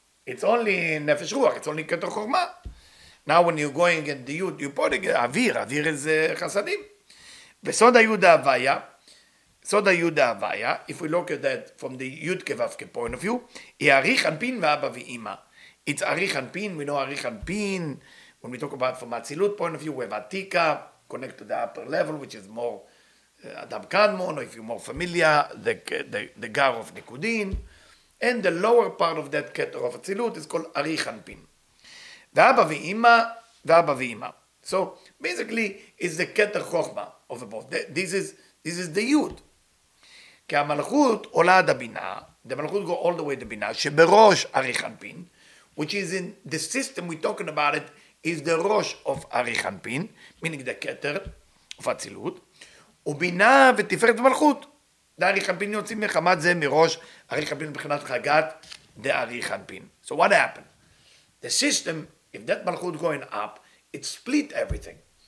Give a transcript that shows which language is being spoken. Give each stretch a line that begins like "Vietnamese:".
English: it's only נפש רוח, it's only קטר חוכמה. now when you're going in the יוד, you put it, אוויר, אוויר is חסדים.
Hebrew: וסוד היוד ההוויה, סוד היוד ההוויה,
English: if we look at that from the יוד כווקה point of view,
Hebrew: היא אריך אנפין ואבא ואימא.
English: it's אריך אנפין, we know אריך אנפין, when we talk about from הצילות point of view, we have עתיקה, connect to the upper level, which is more Adam Kadmon, or if you're more familiar, the Gar of Nikudin, and the lower part of that Keter of Atzilut is called Arich Anpin. V'abba v'ima, v'abba v'ima. So, basically, it's the Keter Chochma of the both. This is the Yud.
Hebrew: Ke ha-malchut ola ad ha-bina,
English: the malchut go all the way to the bina,
Hebrew: she-berosh Arich Anpin,
English: which is in the system we're talking about it, is the Rosh of Arich Anpin, meaning the Keter of Atzilut,
Hebrew: ובינה ותפארת ומלכות. דאריך אנפין יוצאים מחמת זה מראש, אריך אנפין מבחינת חגת, דאריך אנפין.
English: So what happened? The system, if that מלכות going up, it split everything.